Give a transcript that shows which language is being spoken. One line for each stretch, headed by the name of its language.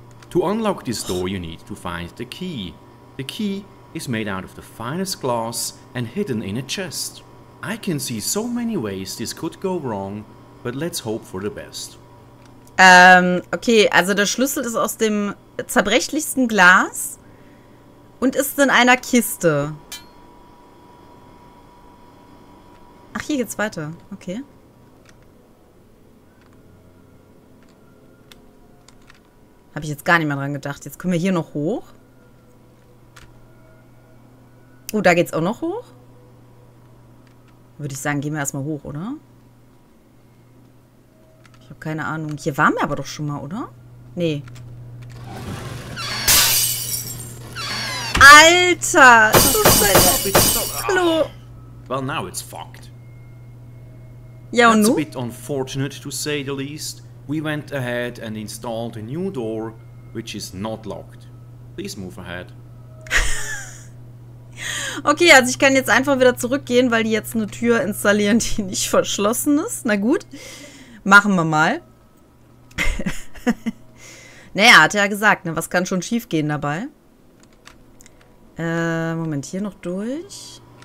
English: To unlock this door, you need to find the key. The key is made out of the finest glass and hidden in a chest. I can see so many ways this could go wrong, but let's hope for the best.
German: Okay, also der Schlüssel ist aus dem zerbrechlichsten Glas und ist in einer Kiste. Ach, hier geht's weiter. Okay. Habe ich jetzt gar nicht mehr dran gedacht. Jetzt kommen wir hier noch hoch. Oh, da geht's auch noch hoch. Würde ich sagen, gehen wir erstmal hoch, oder? Ich habe keine Ahnung. Hier waren wir aber doch schon mal, oder? Nee. Alter! Hallo!
English: Well, now it's fucked.
German: Ja, und nun?
English: That's a bit unfortunate, to say the least. We went ahead and installed a new door, which is not locked. Please move ahead.
German: Okay, also ich kann jetzt einfach wieder zurückgehen, weil die jetzt eine Tür installieren, die nicht verschlossen ist. Na gut, machen wir mal. Naja, hat er ja gesagt, ne? Was kann schon schief gehen dabei? Moment, hier noch durch.